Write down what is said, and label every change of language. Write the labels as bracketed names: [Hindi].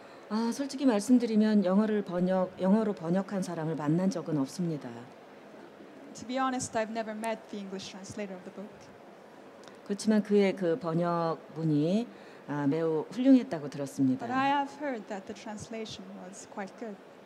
[Korean] Ah, 솔직히 말씀드리면 영어로 번역한 사람을 만난 적은 없습니다. [English] To be honest, I've never met the English translator of the book. [Korean] 그렇지만 그의 그 번역분이 매우 훌륭했다고 들었습니다. [English] But I have heard that the translation was quite good.